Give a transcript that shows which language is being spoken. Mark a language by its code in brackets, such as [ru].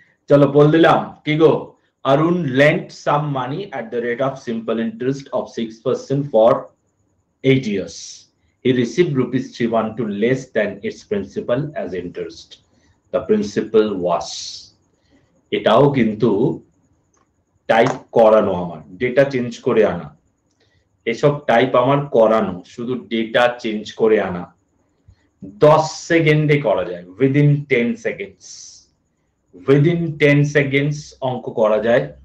[bn] চলো বল দিলাম, কি গো [en] Arun lent some money at the rate of simple interest of 6% for 8 years. He received ₹312 less than its principal as interest. The principal was. [bn] এটাও কিন্তু type করানো আমার, data change করে আনা, এসব টাইপ আমার করানো, শুধু ডেটা চেঞ্জ করে আনা, 10 সেকেন্ডে করা যায়, [en] within 10 seconds, within 10 seconds [bn] অঙ্ক করা যায়।